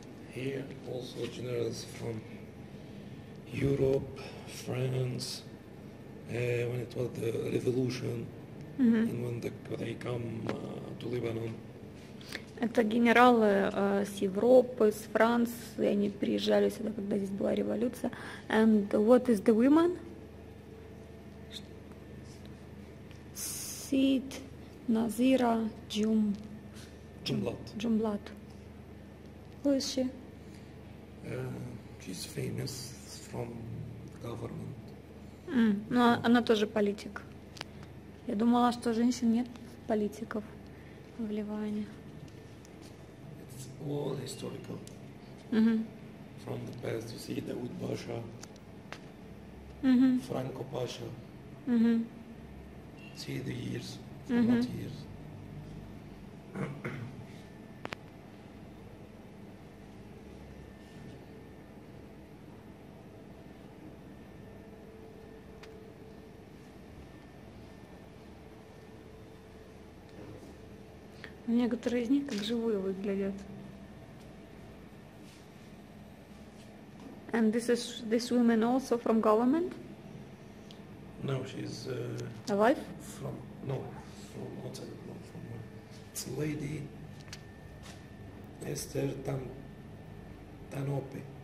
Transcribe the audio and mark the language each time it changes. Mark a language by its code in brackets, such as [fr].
[en] Here also generals from Europe, France. When it was the revolution, mm-hmm. and when they come to Lebanon. [ru] Это генералы с Европы, с Франции, они приезжали сюда, когда здесь была революция. [en] And what is the women? [ru] Сид, Назира, Джумблат. [en] Джумблат. Who is she? She's famous from government. [ru] Ну, она тоже политик. Я думала, что женщин нет политиков в Ливане. [en] It's all historical. Mm-hmm. From the past, you see Daoud Pasha, mm-hmm. Franco Pasha. Mm-hmm. See the years, not mm-hmm. years. [ru] Некоторые из них как живые выглядят. [en] And this is this woman also from government? No, she's a wife? From no, from outside, not from where. It's a lady Esther Tanope.